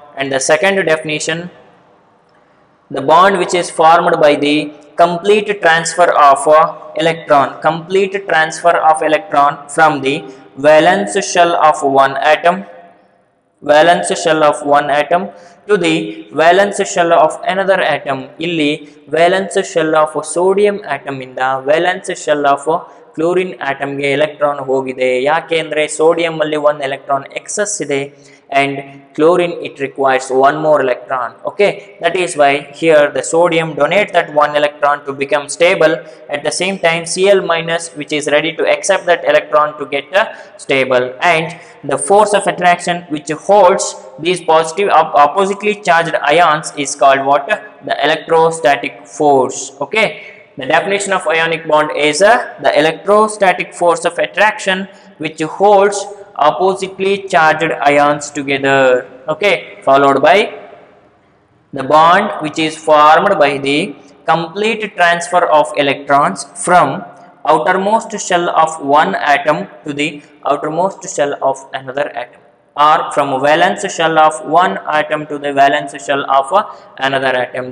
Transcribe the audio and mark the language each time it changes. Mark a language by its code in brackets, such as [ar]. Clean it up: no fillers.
[en] And the second definition, the bond which is formed by the complete transfer of electron, complete transfer of electron from the valence shell of one atom, valence shell of one atom to the valence shell of another atom. [kn] Illi [en] valence shell of sodium atom [kn] inda [en] valence shell of [kn] chlorine ಆಟಮ್ಗೆ electron ಹೋಗಿದೆ. ಯಾಕೆ ಅಂದರೆ ಸೋಡಿಯಮಲ್ಲಿ [en] one electron excess [kn] ಇದೆ [en] And chlorine it requires one more electron. Okay, that is why here the sodium donate that one electron to become stable. At the same time C L minus which is ready to accept that electron to get a stable and the force of attraction which holds these positive oppositely charged ions is called what the electrostatic force. Okay, the definition of ionic bond is the electrostatic force of attraction which holds oppositely charged ions together. Okay, followed by the bond which is formed by the complete transfer of electrons from outermost shell of one atom to the outermost shell of another atom, or from valence shell of one atom to the valence shell of another atom.